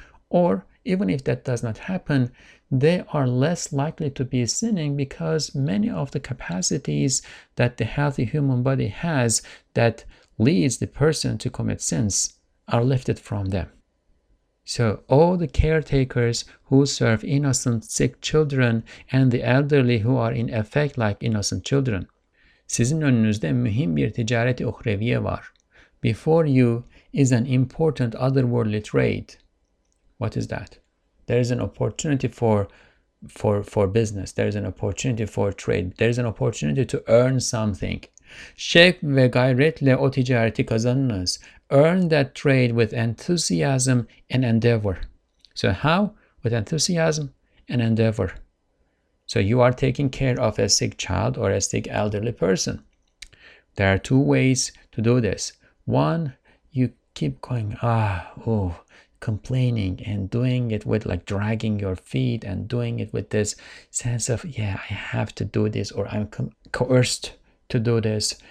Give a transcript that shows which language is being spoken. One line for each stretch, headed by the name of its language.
English: Or even if that does not happen, they are less likely to be sinning because many of the capacities that the healthy human body has that leads the person to commit sins are lifted from them. So all the caretakers who serve innocent sick children and the elderly who are in effect like innocent children.
Turkish: Sizin önünüzde mühim bir ticareti uhreviye var.
English: Before you is an important otherworldly trade. What is that? There is an opportunity for business. There is an opportunity for trade. There is an opportunity to earn something.
Turkish: Şevk ve gayretle o ticareti kazanınız.
English: Earn that trade with enthusiasm and endeavor. So how? With enthusiasm and endeavor. So you are taking care of a sick child or a sick elderly person. There are two ways to do this. One, you keep going, complaining and doing it with like dragging your feet and doing it with this sense of, yeah, I have to do this or I'm coerced to do this.